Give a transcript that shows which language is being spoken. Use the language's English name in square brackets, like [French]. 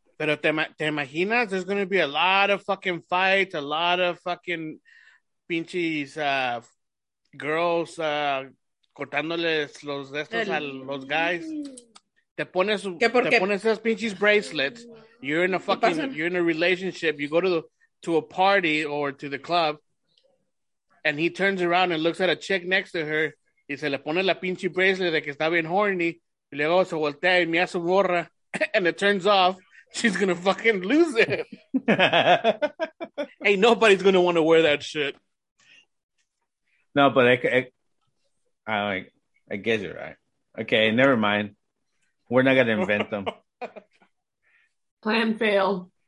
[Spanish] Pero te imaginas, [English] there's gonna be a lot of fucking fights, a lot of fucking pinches girls [Spanish] cortándoles los restos a los [English] guys. [Spanish] Te pones esas pinches [English] bracelets, you're in a relationship, you go to a party or to the club, and he turns around and looks at a chick next to her. [Spanish] Y se le pone la pinche bracelet de que está bien horny. Y luego se voltea y mira su gorra. [English] And it turns off. She's going to fucking lose it. Hey, nobody's going to want to wear that shit. No, but I guess you're right. Okay, never mind. We're not going to invent them. Plan fail.